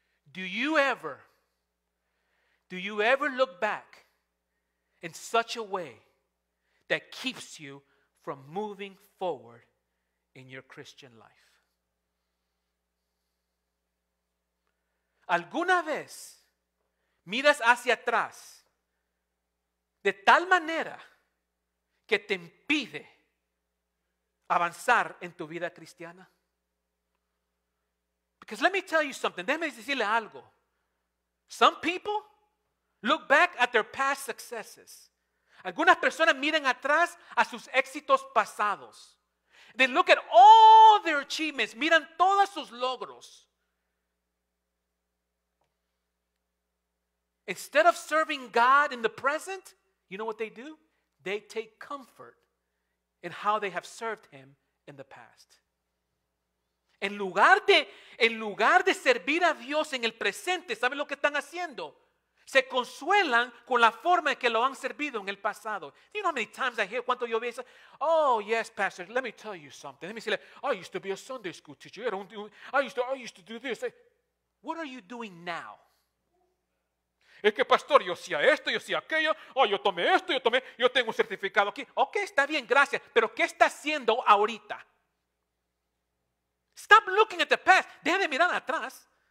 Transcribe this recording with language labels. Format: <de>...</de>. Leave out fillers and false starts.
<en>Do you ever look back in such a way that keeps you from moving forward in your Christian life?</en> <es>¿Alguna vez miras hacia atrás de tal manera que te impide avanzar en tu vida cristiana?</es> <en>Because let me tell you something.</en> <es>Déjame decirle algo.</es> <en>Some people look back at their past successes.</en> <es>Algunas personas miran atrás a sus éxitos pasados.</es> <en>They look at all their achievements.</en> <es>Miran todos sus logros.</es> <en>Instead of serving God in the present, you know what they do? They take comfort in how they have served Him in the past.</en> <es>En lugar de servir a Dios en el presente, ¿saben lo que están haciendo? Se consuelan con la forma en que lo han servido en el pasado.</es> <en>You know how many times I hear,</en> <es>cuánto yo veo,</es> <en>oh, yes, pastor, let me tell you something. Let me say, like, I used to be a Sunday school teacher. I used to do this. What are you doing now?</en> <es>Es que, pastor, yo hacía esto, yo hacía aquello. Oh, yo tomé esto, yo tengo un certificado aquí. Ok, está bien, gracias. Pero, ¿qué está haciendo ahorita?</es> <en>Stop looking at the past.</en> <es>Deja de mirar atrás.</es>